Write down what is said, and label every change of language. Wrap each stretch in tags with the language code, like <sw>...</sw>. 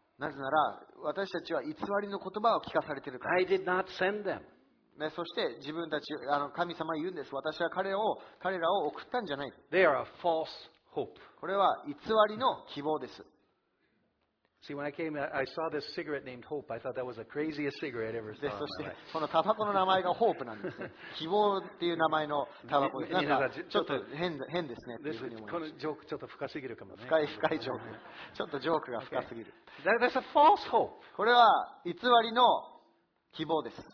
<ja>なぜなら私たちは偽りの言葉を聞かされているからです。</ja> <en>I did not send them.</en> <ja>ね、そして自分たち神様は言うんです。私は彼らを送ったんじゃない。</ja> <en>They are a false hope.</en> <ja>これは偽りの希望です。</ja> <en>See, when I came, I saw this cigarette named Hope. I thought that was the craziest cigarette I ever saw.</en> <ja>そしてこのタバコの名前がホープなんですね。希望っていう名前のタバコです。なんかちょっと変ですね。このジョークちょっと深すぎるかもね。深いジョーク。ちょっとジョークが深すぎる。</ja> <en>That's a false hope.</en> <ja>これは偽りの希望です。</ja>